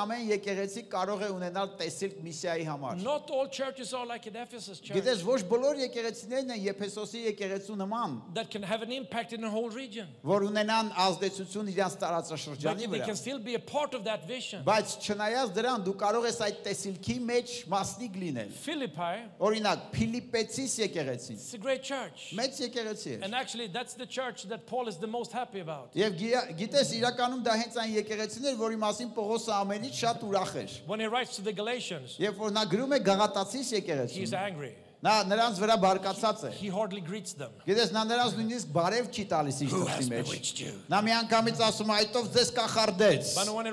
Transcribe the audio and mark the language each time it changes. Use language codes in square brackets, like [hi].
[en] not all churches are like an Ephesus church. That can have an impact in the whole region. And they can still be a part of that vision. [hy] But չնայած դրան դու կարող ես այդ տեսիլքի մեջ մասնիկ լինել. [en] Philippi. [hy] Օրինակ Փիլիպեցիս եկեղեցին. [en] It's a great church. [hy] Մեծ եկեղեցի էր. [en] And actually, that's the church that Paul is the most happy about. [hy] Եվ գիտես իրականում դա հենց այն եկեղեցին էր, որի մասին Պողոսը ամենից շատ ուրախ էր. [en] When he writes to the Galatians. [hy] Եվ որ նա գրում է Գաղատացիս եկեղեցին. [en] He's angry. He hardly greets them. Who has bewitched you? But when he